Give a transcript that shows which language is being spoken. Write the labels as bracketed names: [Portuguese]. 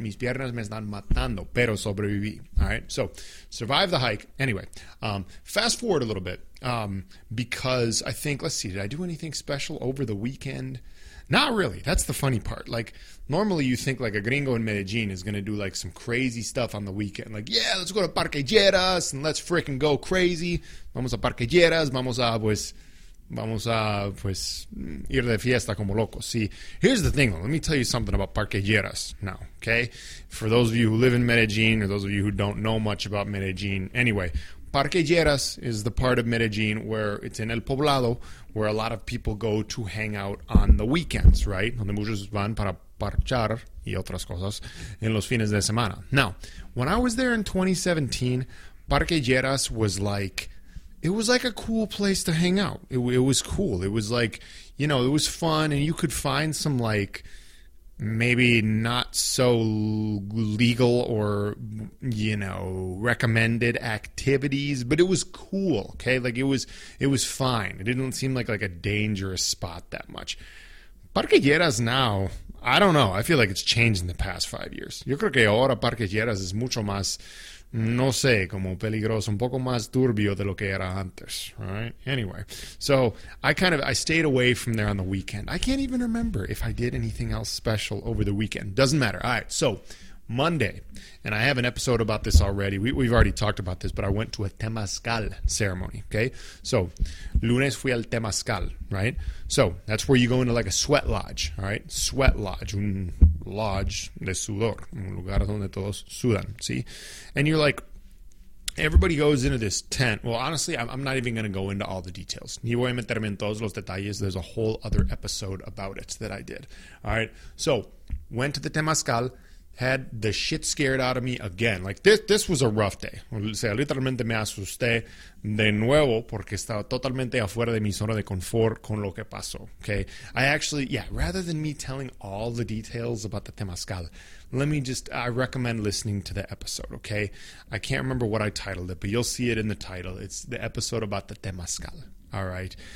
[Spanish] Mis piernas me están matando, pero sobreviví. [English] All right, so survive the hike. Anyway, fast forward a little bit, because I think, let's see, did I do anything special over the weekend? Not really. That's the funny part. Like, normally you think like a gringo in Medellin is going to do like some crazy stuff on the weekend. Like, yeah, let's go to Parque Lleras and let's freaking go crazy. [Spanish] Vamos a Parque Lleras, vamos a ir de fiesta como locos. [English] See, here's the thing, though. Let me tell you something about Parque Lleras now, okay? For those of you who live in Medellin or those of you who don't know much about Medellin, anyway, Parque Lleras is the part of Medellin where it's in El Poblado, where a lot of people go to hang out on the weekends, right? [Spanish] Donde muchos van para parchar y otras cosas en los fines de semana. [English] Now, when I was there in 2017, Parque Lleras was like, it was like a cool place to hang out. It was cool. It was like, you know, it was fun, and you could find some like maybe not so legal or, you know, recommended activities, but it was cool. Okay. Like it was fine. It didn't seem like a dangerous spot that much. Parque Lleras now, I don't know. I feel like it's changed in the past 5 years. [Spanish] Yo creo que ahora Parque Lleras es mucho más, no sé, como peligroso, un poco más turbio de lo que era antes, right? [English] Anyway, so I stayed away from there on the weekend. I can't even remember if I did anything else special over the weekend. Doesn't matter. All right, so Monday, and I have an episode about this already. We've already talked about this, but I went to a Temazcal ceremony, okay? So [Spanish] lunes fui al Temazcal, [English] right? So that's where you go into like a sweat lodge, all right? [Spanish] Sweat lodge, un lodge de sudor, un lugar donde todos sudan, see? [English] And you're like, everybody goes into this tent. Well, honestly, I'm not even going to go into all the details. [Spanish] Ni voy a meterme en todos los detalles. [English] There's a whole other episode about it that I did, all right? So went to the Temazcal. had the shit scared out of me again. Like, this was a rough day. [Spanish] O sea, literalmente me asusté de nuevo porque estaba totalmente afuera de mi zona de confort con lo que pasó, okay? [English] Rather than me telling all the details about the Temazcal, I recommend listening to the episode, okay? I can't remember what I titled it, but you'll see it in the title. It's the episode about the Temazcal, all right?